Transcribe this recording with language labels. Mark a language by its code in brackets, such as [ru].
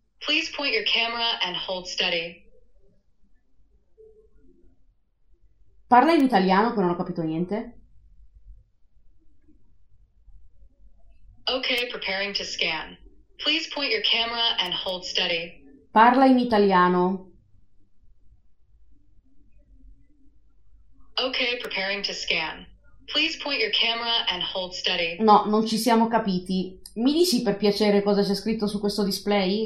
[en] Please point your camera and hold steady. [it] Parla in italiano che non ho capito niente. [en] Ok, preparing to scan. Please point your camera and hold steady. [it] Parla in italiano. [en] Ok, preparing to scan. Please point your camera and hold steady. [it] No, non ci siamo capiti. Mi dici per piacere cosa c'è scritto su questo display?